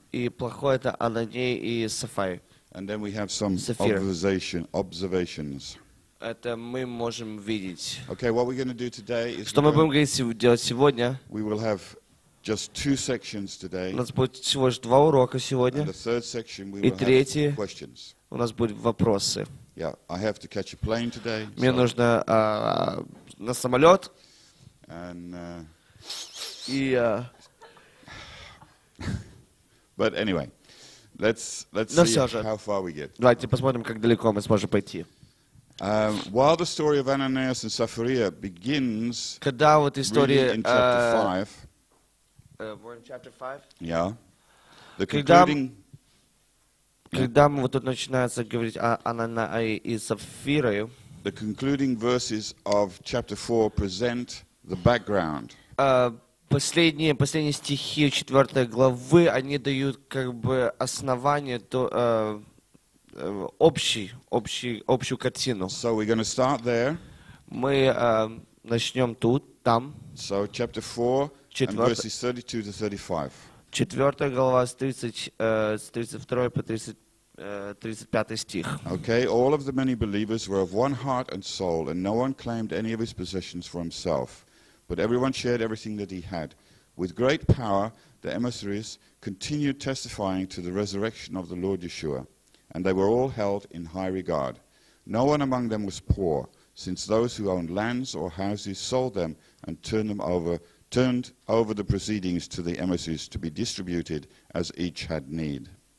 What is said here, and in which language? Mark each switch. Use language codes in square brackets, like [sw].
[ru] И плохой это Ананей и Сафай. [en] And then we have some observations. [ru] Это мы можем видеть. [en] Okay, what we're going to do today is. [ru] Что мы будем делать сегодня? [en] We will have just two sections today. [ru] У нас будет всего лишь два урока сегодня. [en] And the third section we will have questions. [ru] У нас будут вопросы. [en] Yeah, I have to catch a plane today. [ru] Мне нужно на самолет. [en] And but anyway, let's see how far we get. [ru] Давайте посмотрим, как далеко мы сможем пойти. [en] While the story of Ananias and Sapphira begins, [ru] когда вот история [en] really in chapter 5, we're in chapter 5. Yeah. The concluding. [ru] Когда мы вот тут начинается говорить о Ананае и Сапфире. [en] The concluding verses of chapter 4 present the background. [ru] Последние стихи 4 главы они дают как бы основание то. Общую картину. [en] So we're going to start there. [ru] Мы начнем тут, там. [en] So chapter 4, verses 32 to 35. [ru] Четвертая глава с 32 по 35 стих. [en] Okay, all of the many believers were of one heart and soul, and no one claimed any of his possessions for himself, but everyone shared everything that he had. With great power, the emissaries continued testifying to the resurrection of the Lord Yeshua. And they were all held in high regard. No one among them was poor, since those who owned lands or houses sold them and turned over the proceedings to the emissaries to be distributed as each had need.